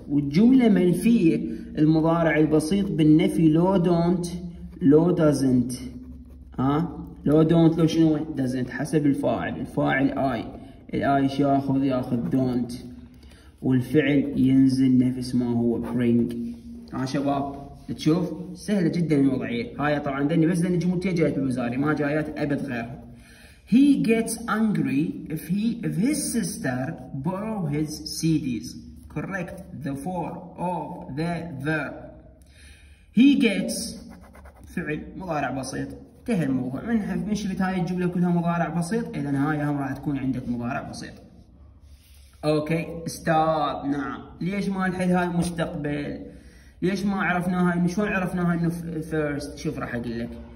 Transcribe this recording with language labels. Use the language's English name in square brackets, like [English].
[Arabic] والجمله منفيه المضارع البسيط بالنفي لو دونت لو doesn't، ها لو don't لو شنو doesn't حسب الفاعل، الفاعل I، الI شو ياخذ؟ ياخذ don't، والفعل ينزل نفس ما هو bring. ها شباب تشوف سهلة جدا الوضعية هاي، طبعا دني بس لأن جملتين جايات بالوزاري ما جايات أبد غيرها. [English] He gets angry if his sister borrow his CDs. correct the form of the verb. He gets [Arabic] فعل مضارع بسيط، انتهى الموضوع. من شفت هاي الجملة كلها مضارع بسيط، إذا هاي هم راح تكون عندك مضارع بسيط. أوكي ستوب، نعم، ليش ما نحل هاي المستقبل؟ ليش ما عرفناها؟ شلون عرفناها إنه فيرست؟ شوف راح أقول لك.